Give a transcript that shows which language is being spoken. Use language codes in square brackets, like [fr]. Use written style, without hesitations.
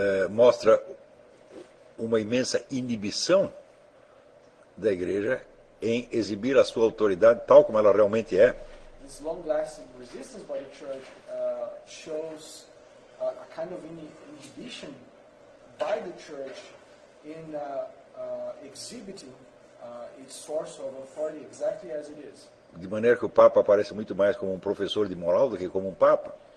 [pt] Mostra uma imensa inibição da Igreja em exibir a sua autoridade tal como ela realmente é. [en] This long-lasting resistance by the Church shows a kind of inhibition by the Church in exhibiting its source of authority exactly as it is. [pt] De maneira que o Papa aparece muito mais como um professor de moral do que como um Papa.